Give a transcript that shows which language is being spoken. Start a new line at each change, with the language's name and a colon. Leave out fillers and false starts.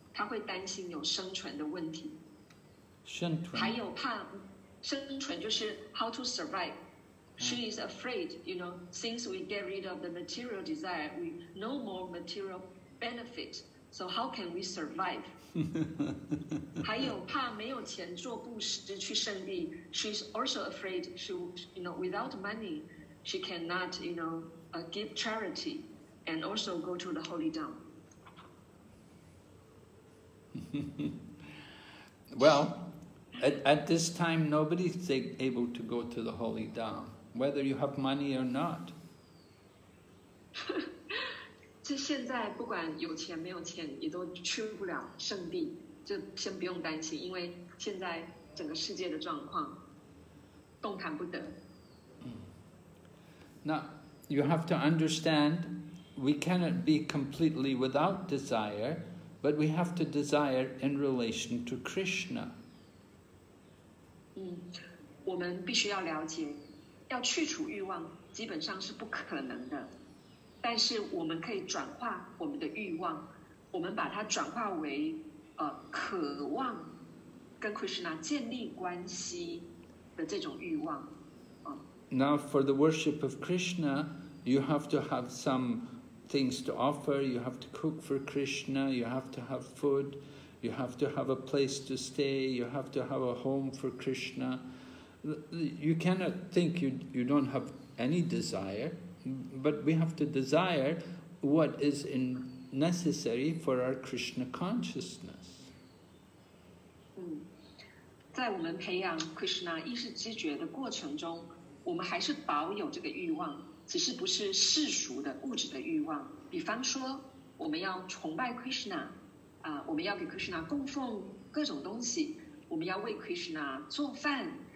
Chinese: 他会担心有生存的问题，生存，还有怕生存，就是
English: how to survive。 She is afraid, you know, since we get rid of the material desire, we no more material benefit. So how can we survive?
Chinese: 还有怕没有钱做布施去胜利。
English: She's also afraid she, you know, without money, she cannot, you know, give charity and also go to the holy town. Well, at this time, nobody's able to go to the holy town. Whether you have money or not.
Chinese: 这现在不管有钱没有钱也都去不了圣地，就先不用担心，因为现在整个世界的状况动弹不得。
English: Now, you have to understand, we cannot be completely without desire, but we have to desire in relation to Krishna.
Chinese: 我们必须要了解要去除欲望基本上是不可能的，但是我们可以转化我们的欲望，我们把它转化为渴望跟 Krishna 建立关系的这种欲望。
English: Now for the worship of Krishna, you have to have some things to offer, you have to cook for Krishna, you have to have food, you have to have a place to stay, you have to have a home for Krishna. You cannot think you don't have any desire, but we have to desire what is necessary for our Krishna consciousness.
Chinese: 在我们培养 Krishna 意识知觉的过程中，我们还是保有这个欲望，只是不是世俗的物质的欲望。比方说，我们要崇拜 Krishna， 我们要给 Krishna 供奉各种东西，我们要为 Krishna 做饭。